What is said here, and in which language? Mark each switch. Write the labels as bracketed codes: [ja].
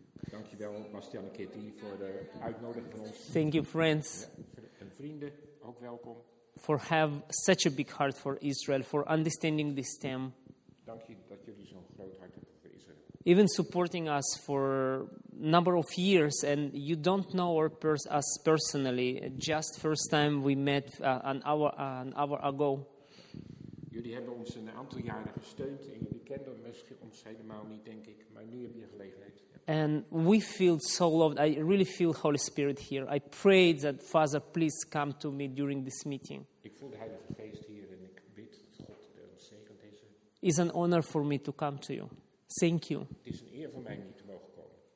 [nl] Dankjewel, Bastien en Kitty, voor de uitnodiging van ons. [en] Thank you, friends. [nl] En vrienden, ook welkom. [en] For have such a big heart for Israel, for understanding this theme. [nl] Dank je dat jullie zo'n groot hart hebben voor Israël. [en] Even supporting us for number of years, and you don't know us personally. Just first time we met an hour ago. [nl] Jullie hebben ons een aantal jaren gesteund, en jullie kenden ons helemaal niet, denk ik. Maar nu heb je gelegenheid. [en] And we feel so loved. I really feel Holy Spirit here. I pray that Father, please come to me during this meeting. [nl] Ik voel de Heilige Geest hier, en ik bid dat God de ons zegent deze. [en] It's an honor for me to come to you. Thank you. [nl] Het is een eer voor mij om hier te mogen komen.